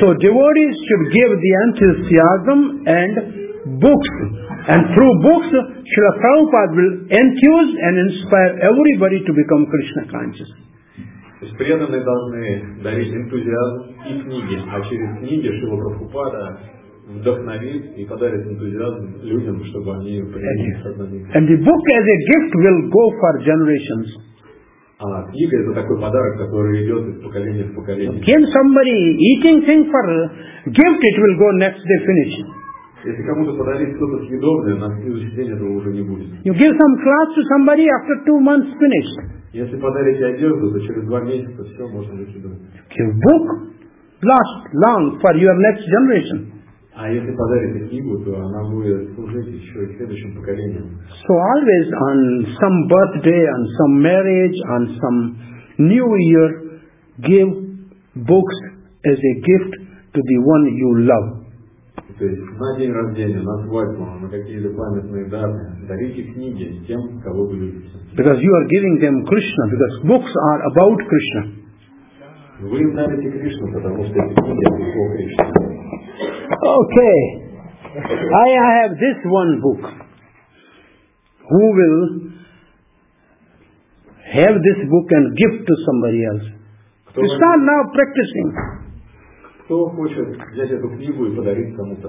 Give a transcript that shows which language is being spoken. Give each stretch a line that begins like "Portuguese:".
English: So devotees should give the enthusiasm and books. And through books, Srila Prabhupada will enthuse and inspire everybody to become Krishna conscious.
Russian: То есть преданные должны дарить энтузиазм и книги, а через книги Шрила Прабхупада вдохновит и подарит энтузиазм людям, чтобы они приняли сознание.
English: And the book as a gift will go for generations.
Russian: А книга это такой подарок, который идет из поколения в поколение.
English: Can somebody eating thing for gift, it will go next day finish.
Russian: Если кому-то подарить что-то съедобное, на следующий день этого уже не будет.
English: You give some class to somebody after 2 months finished.
Russian: Если подарите одежду, то через 2 месяца все можно выкидывать.
English: Give book last long for your next generation.
Russian: А если подарите книгу, то она будет служить еще и следующим поколениям.
English: So always on some birthday, on some marriage, on some new year, give books as a gift to the one you love.
Russian: То есть на день рождения, на свадьбу, на какие-то памятные даты, дарите книги тем, кого вы любите.
English: Because you are giving them Krishna, because books are about Krishna.
Russian: Вы им дарите Кришну, потому что эти книги это о Кришне.
English: Okay. I have this one book. Who will have this book and give to somebody else?
Russian: Кто
English: you start now practicing.
Russian: Кто хочет взять эту книгу и подарить кому-то?